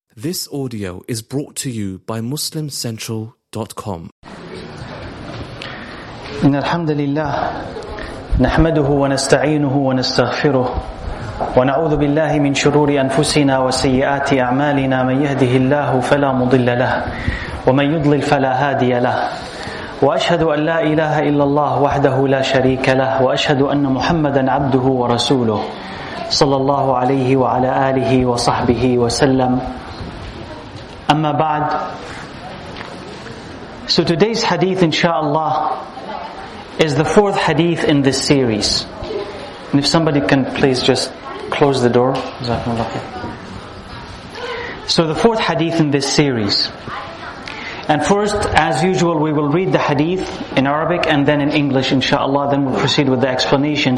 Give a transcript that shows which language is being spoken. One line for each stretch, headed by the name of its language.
English: This audio is brought to you by MuslimCentral.com.
Arabic: إن الحمد لله نحمده ونستعينه ونستغفره ونعوذ بالله من شرور أنفسنا وسيئات أعمالنا من يهده الله فلا مضل له ومن يضلل فلا هادي له وأشهد أن لا إله إلا الله وحده لا شريك له وأشهد أن محمدا عبده ورسوله صلى الله عليه وعلى آله وصحبه وسلم. أما بعد,
English: so today's hadith inshallah is the fourth hadith in this series. And if somebody can please just close the door. So the fourth hadith in this series. And first, as usual, we will read the hadith in Arabic and then in English inshallah, then we'll proceed with the explanation.